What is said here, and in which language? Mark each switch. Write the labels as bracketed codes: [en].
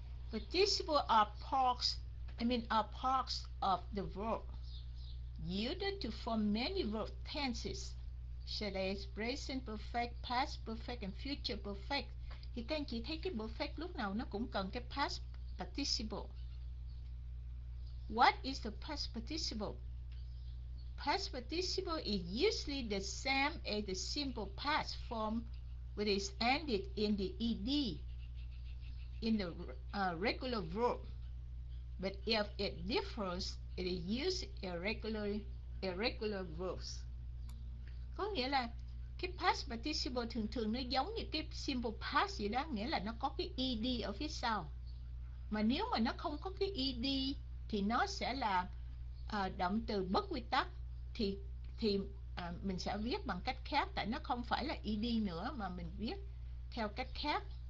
[en] Participle are parts, are parts of the verb used to form many verb tenses, such as present perfect, past perfect and future perfect. Thì các anh chị thấy cái perfect lúc nào nó cũng cần cái past participle. What is the past participle? Past participle is usually the same as the simple past form, which is ended in the ed in the regular verb. But if it differs, it is used irregular verbs. [vi] Có nghĩa là cái past participle thường thường nó giống như cái simple past gì đó, nghĩa là nó có cái ed ở phía sau. Mà nếu mà nó không có cái ed thì nó sẽ là động từ bất quy tắc. Thì mình sẽ viết bằng cách khác, tại nó không phải là ed nữa mà mình viết theo cách khác.